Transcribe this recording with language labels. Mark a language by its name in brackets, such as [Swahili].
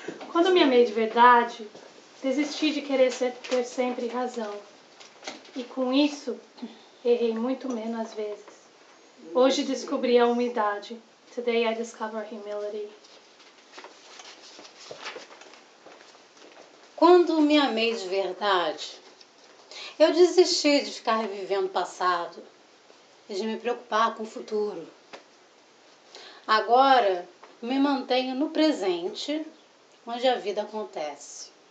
[Portuguese] Quando me amei de verdade, desisti de querer ter sempre razão. E com isso, errei muito menos às vezes. Hoje descobri a humildade. [English] Today I discover humility. [Portuguese] Quando me amei de verdade, eu desisti de ficar revivendo o passado e de me preocupar com o futuro. Agora, me mantenho no presente, onde a vida acontece.